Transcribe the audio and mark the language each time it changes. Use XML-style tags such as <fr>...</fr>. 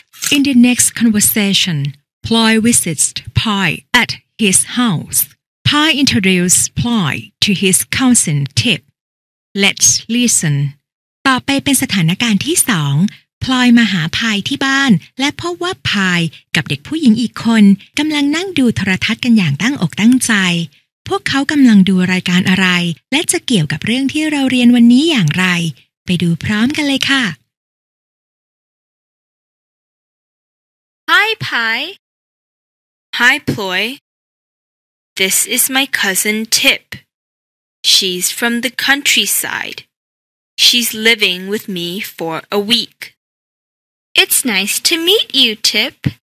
<en>In the next conversation, Ploy visits Pai at his house. Pai introduces Ploy to his cousin Tip. Let's listen.</en> <th>ต่อไปเป็นสถานการณ์ที่สองพลอยมาหาพายที่บ้านและพบว่าพายกับเด็กผู้หญิงอีกคนกำลังนั่งดูโทรทัศน์กันอย่างตั้งอกตั้งใจพวกเขากำลังดูรายการอะไรและจะเกี่ยวกับเรื่องที่เราเรียนวันนี้อย่างไรไปดูพร้อมกันเลยค่ะ</th> <en>Hi Pai Hi Ploy This is my cousin Tip She's from the countryside She's living with me for a week It's nice to meet you, Tip.</en>